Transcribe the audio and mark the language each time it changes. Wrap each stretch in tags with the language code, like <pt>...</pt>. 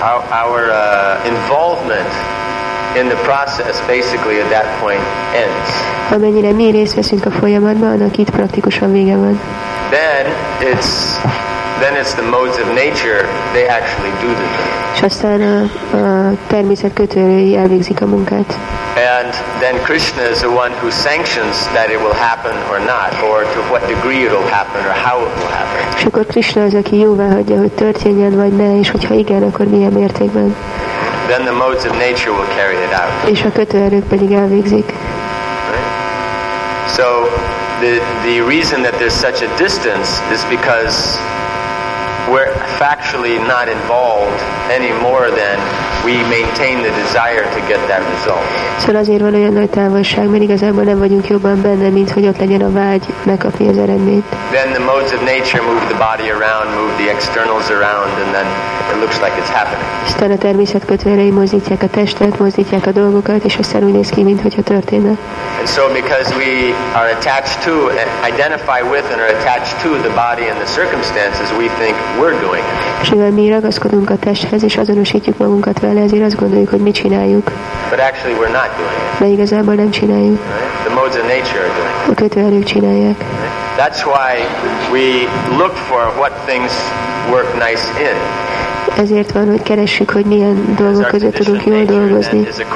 <en>Our involvement in the process basically at that point ends.</en> <hu>Amennyire mi részt veszünk a folyamatban, annak itt praktikusan vége van.</hu> <en>Then it's the modes of nature, they actually do the thing.</en> <hu>És aztán a természet kötőrői elvégzik a munkát.</hu> <en>And then Krishna is the one who sanctions that it will happen or not, or to what degree it will happen, or how it will happen.</en> <hu>És akkor Krishna az, aki jóvá hagyja, hogy történjen vagy ne, és hogyha igen, akkor milyen mértékben.</hu> <en>Then the modes of nature will carry it out.</en> <hu>És a kötőerők pedig elvégzik.</hu> <en>Right? So the reason that there's such a distance is because we're factually not involved any more than we maintain the desire to get that result.</en> <hu>Szóval azért van olyan nagy távolság, mert igazából nem vagyunk jobban benne, mint hogy ott legyen a vágy megkapni az eredményt.</hu> <en>Then the modes of nature move the body around, move the externals around, and then it looks like it's happening.</en> <hu>Aztán a természet kötvényei mozdítják a testet, mozdítják a dolgokat, és aztán úgy néz ki, mint hogyha történne.</hu> <en>And so because we are attached to, and identify with, and are attached to the body and the circumstances, we think we're doing it.</en> <hu>És mivel mi ragaszkodunk a testhez, és azonosítjuk magunkat vele, ezért azt gondoljuk, hogy mit csináljuk.</hu> <en>But actually we're not doing it.</en> <hu>De igazából nem csináljuk.</hu> <en>Right? The modes of nature are doing it.</en> <hu>A kötvényei csinálják.</hu> <en>Right? That's why we look for what things work nice in.</en> <hu>Ezért van, hogy keressük, hogy milyen dolgok között tudunk jól dolgozni.</hu>